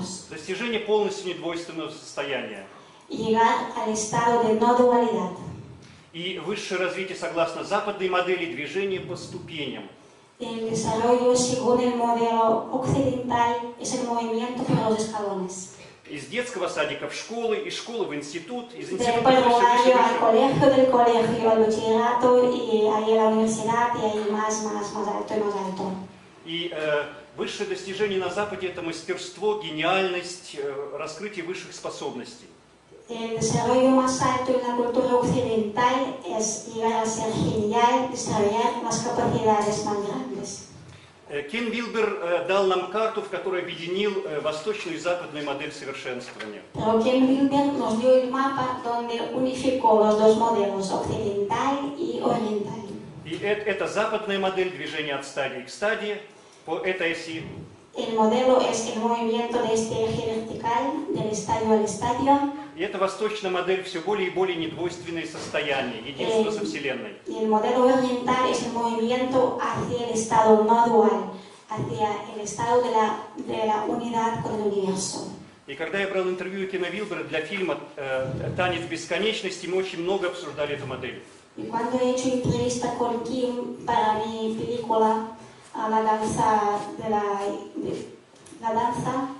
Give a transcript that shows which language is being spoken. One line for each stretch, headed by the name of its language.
Russian: Достижение полностью недвойственного состояния. И высшее развитие согласно западной модели движения по ступеням. Из детского садика в школы, из школы в институт, из института в университет.
Spanish: Del colegio al bachillerato y ahí a la universidad y ahí más alto y más alto.
Russian: И высшее достижение на Западе – это мастерство, гениальность, раскрытие высших способностей.
Spanish: El desarrollo más alto en la cultura occidental es llegar a ser genial, desarrollar las capacidades más grandes.
Russian: Кен Вилбер дал нам карту, в которой объединил восточную и западную модель совершенствования.
Spanish: Кен Вилбер nos dio el mapa donde unificó los dos modelos, occidental y oriental.
Russian: И это западная модель движения от стадии к стадии по этой оси.
Spanish: El modelo es el movimiento de este eje vertical del estadio al estadio.
Russian: И это восточная модель все более и более недвойственное состояние, единство со Вселенной.
Spanish: Y el modelo oriental es el movimiento hacia el estado no dual, hacia el estado de la unidad con el universo.
Russian: И когда я брал интервью у Кена Вилбера для фильма «Танец бесконечности», мы очень много обсуждали эту модель.
Spanish: Y cuando he hecho entrevista con Kim para mi película a la danza de la la danza